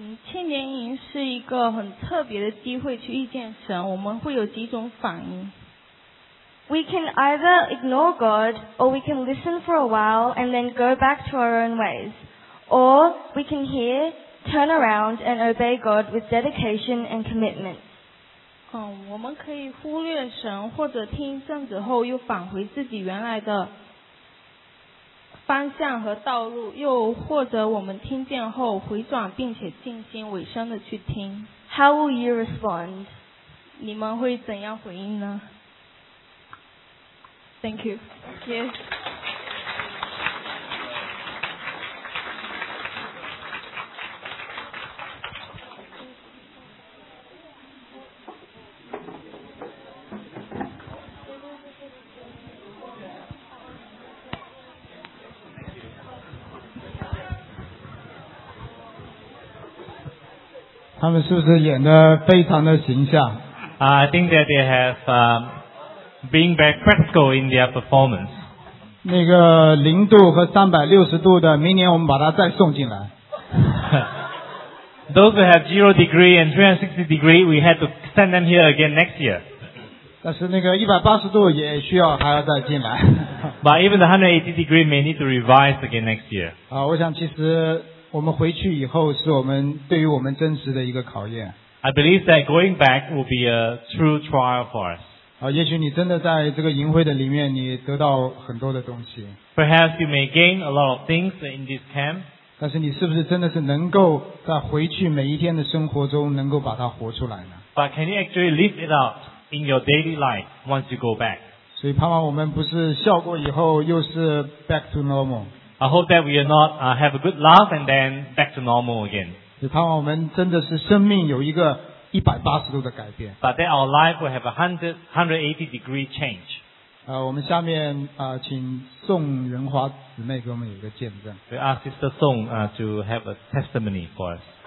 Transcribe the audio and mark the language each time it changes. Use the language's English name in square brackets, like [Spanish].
[Chinese] 青年营是一个很特别的机会去遇见神，我们会有几种反应。 [English] We can either ignore God, or we can listen for a while and then go back to our own ways. Or we can hear, turn around and obey God with dedication and commitment. [Chinese] 我们可以忽略神，或者听一阵子后又返回自己原来的方向和道路，又或者我们听见后回转并且尽心委身的去听。 [English] How will you respond? [Chinese] 你们会怎样回应呢？ [English] Thank you. Thank you. Thank you. [Chinese] 他们是不是演得非常的形象？ [English] I think that they have being very practical in their performance. [Chinese] 那个零度和三百六十度的，明年我们把它再送进来。 [English] Those who have zero degree and 360 degree, we had to send them here again next year. [Chinese] 但是那个一百八十度也需要还要再进来。 [English] But even the 180 degree may need to revise again next year. [Chinese] 我想其实我们回去以后是我们对于我们真实的一个考验。 [English] I believe that going back will be a true trial for us. [Chinese] 也许你真的在这个营会的里面你得到很多的东西。 [English] Perhaps you may gain a lot of things in this camp. [Chinese] 但是你是不是真的是能够在回去每一天的生活中能够把它活出来呢？ [English] But can you actually live it out in your daily life once you go back? [Chinese] 所以盼望我们不是笑过以后又是 [English] back to normal. I hope that we are not have a good laugh and then back to normal again. [Chinese] 所以盼望我们真的是生命有一个180度的改变。 [English] But then our life will have a 180 degree change. [Chinese] 我们下面请宋仁华姊妹给我们有一个见证。 [English] We ask Sister Song to have a testimony for us.